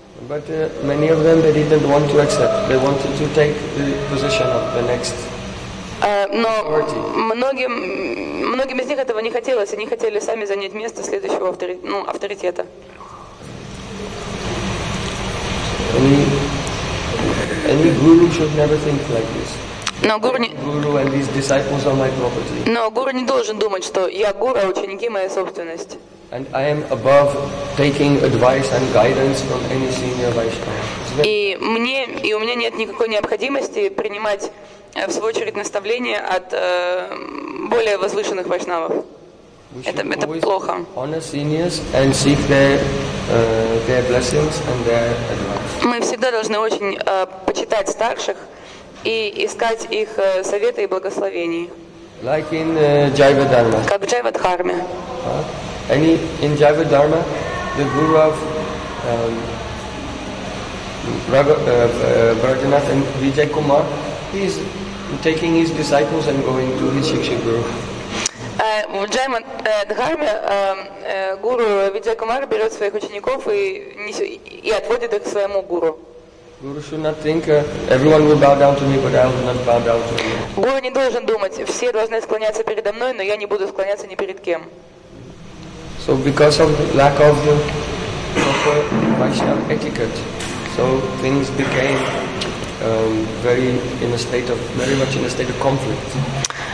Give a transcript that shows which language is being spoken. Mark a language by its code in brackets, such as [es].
[en] But many of them, they didn't want to accept. They wanted to take the position of the next authority. [ru] Многим из них этого не хотелось. Они хотели сами занять место следующего авторитета. [en] Any guru should never think like this. Guru and his disciples are my property. [ru] Но гуру не должен думать, что я гуру, а ученики моя собственность. [en] And I am above taking advice and guidance from any senior Vaishnava. [ru] И у меня нет никакой необходимости принимать в свою очередь наставления от более возвышенных вайшнавов. Это плохо. [en] Honor seniors and seek their blessings and their advice. [ru] Мы всегда должны очень почитать старших и искать их советы и благословений. [en] Like in Jiva Dharma. [ru] Как в Jiva Dharma. [en] Any in Jiva Dharma, the guru of Rajanath and Vijay Kumar, he is taking his disciples and going to his Shikshik Guru. [ru] В Джайма Дхарме гуру Виджай Кумар берет своих учеников и отводит их к своему гуру. [en] Guru should not think everyone will bow down to me, but I will not bow down to you. [ru] Гуру не должен думать, все должны склоняться передо мной, но я не буду склоняться ни перед кем. [en] So because of lack of the proper Vaishnava etiquette, so things became very much in a state of conflict.